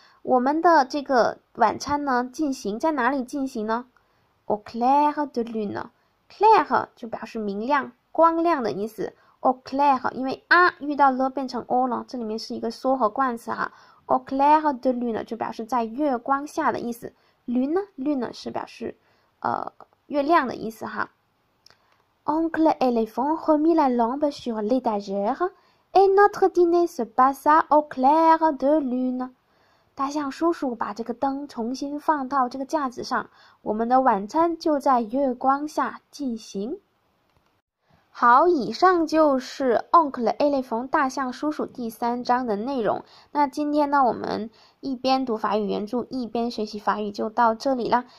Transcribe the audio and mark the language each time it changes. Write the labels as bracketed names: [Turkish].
[Chinese] 我们的这个晚餐呢，进行在哪里进行呢 ？ [French] au clair de lune， [Chinese] clair 就表示明亮、光亮的意思。au clair 因为 a 遇到 le 变成 o 了，这里面是一个缩合冠词哈。 au clair de lune 就表示在月光下的意思。 lune 是表示月亮的意思哈。 [French] Oncle éléphant remit la lampe sur l'étagère et notre dîner se passa au clair de lune。 [Chinese] 大象叔叔把这个灯重新放到这个架子上，我们的晚餐就在月光下进行。好，以上就是《Uncle Elephant》大象叔叔第三章的内容。那今天呢，我们一边读法语原著，一边学习法语，就到这里啦。